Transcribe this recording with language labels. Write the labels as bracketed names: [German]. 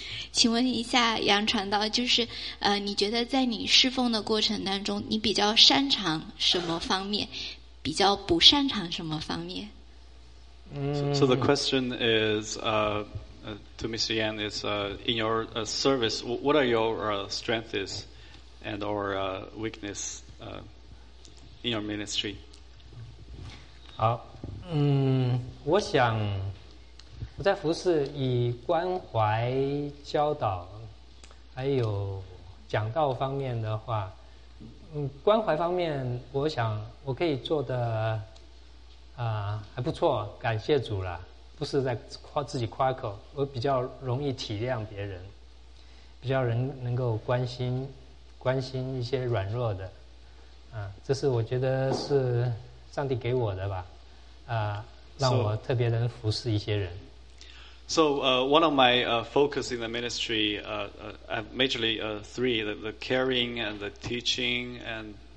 [Chinese] 请问一下杨传道，就是你觉得在你侍奉的过程当中，你比较擅长什么方面，比较不擅长什么方面？ [English] So the question is to Mr. Yan is in your service, what are your strengths and or weakness in your ministry? [Chinese] 好，我想我在服侍以关怀教导还有讲道方面的话，关怀方面我想我可以做的还不错，感谢主啦，不是在夸自己夸口，我比较容易体谅别人，比较能够关心一些软弱的这是我觉得是上帝给我的吧让我特别能服侍一些人。 [English] So one of my focus in the ministry, majorly three, the caring and the teaching and